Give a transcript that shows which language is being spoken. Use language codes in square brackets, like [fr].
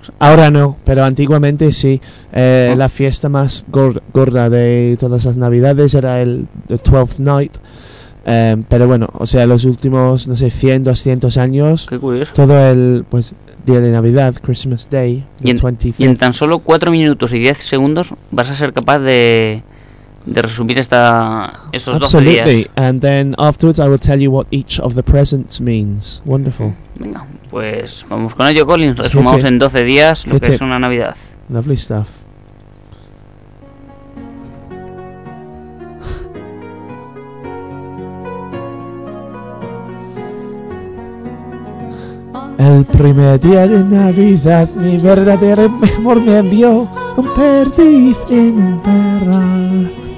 [es] Ahora no, pero antiguamente sí. La fiesta más gorda de todas las Navidades era [en] the 12th night. [es] Pero bueno, o sea, los últimos, no sé, 100, 200 años. Qué curioso. Todo el, pues, Día de Navidad, Christmas Day, y en tan solo 4 minutos y 10 segundos vas a ser capaz de resumir estos 12 días. [en] Absolutely, and then afterwards I will tell you what each of the presents means. Wonderful. [es] Venga, pues vamos con ello, Colin. Resumamos en 12 días lo que es una Navidad. [en] Lovely stuff. [es] El primer día de Navidad, mi verdadero amor me envió un perdiz en un perral.